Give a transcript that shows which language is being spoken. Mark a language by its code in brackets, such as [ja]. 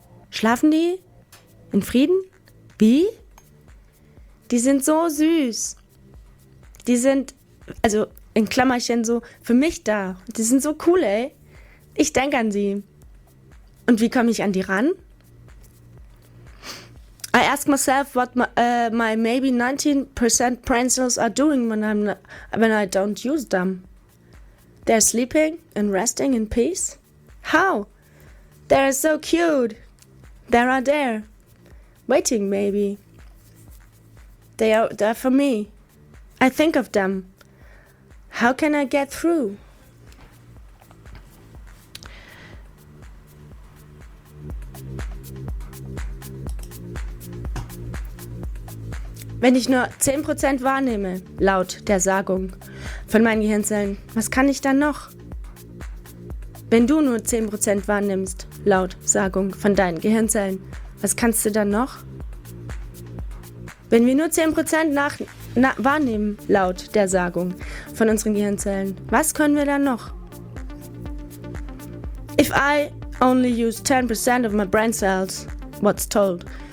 [de] Schlafen die? In Frieden? Wie? Die sind so süß. Die sind, also in Klammerchen so, für mich da. Die sind so cool, ey. Ich denke an sie. Und wie komme ich an die ran? [en] I ask myself what my maybe 19% brain cells are doing when I don't use them. They're sleeping and resting in peace. How? They're so cute. They are there. Waiting, maybe. They are there for me. I think of them. How can I get through? [de] Wenn ich nur 10% wahrnehme, laut der Sagung von meinen Gehirnzellen, was kann ich dann noch? Wenn du nur 10% wahrnimmst, laut Sagung von deinen Gehirnzellen, was kannst du dann noch? Wenn wir nur 10% wahrnehmen, laut der Sagung von unseren Gehirnzellen, was können wir dann noch? [en] If I only use 10% of my brain cells, what's told?